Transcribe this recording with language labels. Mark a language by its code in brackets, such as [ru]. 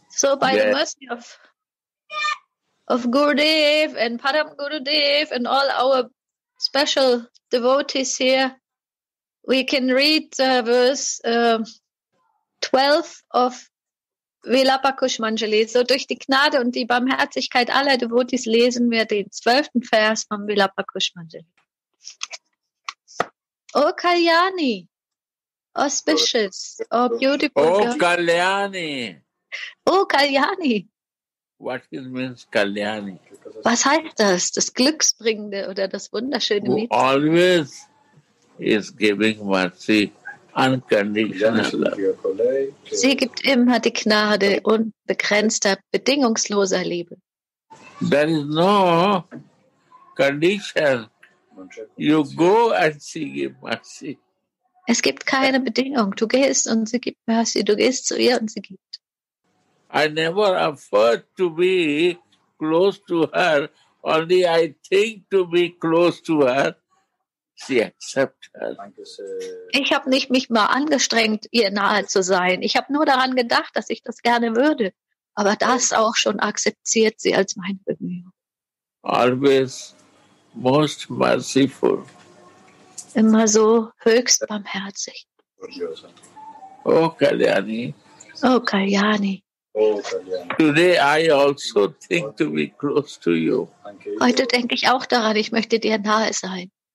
[en] So by the mercy of Gurudev and Param Gurudev and all our special devotees here, we can read verse 12 of Vilapa Kushmanjali. [de] So durch die Gnade und die Barmherzigkeit aller Devotis lesen wir den 12. Vers von Vilapa Kushmanjali. [en] O Kalyani, auspicious, O beautiful. O Kalyani. O Kalyani. What it means Kalyani? [de] Was heißt das? Das Glücksbringende oder das wunderschöne Mädchen? [en] Always is giving mercy. Unconditional love. [de] Sie gibt immer die Gnade unbegrenzter, bedingungsloser Liebe. [en] There is no condition. You go and she gives mercy. [de] Es gibt keine Bedingung. Du gehst und sie gibt Mercy. Du gehst zu ihr und sie gibt. [en] I never afford to be close to her. Only I think to be close to her. [de] Sie akzeptiert. Ich habe nicht mich mal angestrengt, ihr nahe zu sein. Ich habe nur daran gedacht, dass ich das gerne würde. Aber das auch schon akzeptiert sie als meine Bemühung. [en] Always most merciful. [de] Immer so höchst barmherzig. [en] Oh Kalyani. Oh Kalyani. Today I also think to be close to you. [de] Heute denke ich auch daran, ich möchte dir nahe sein.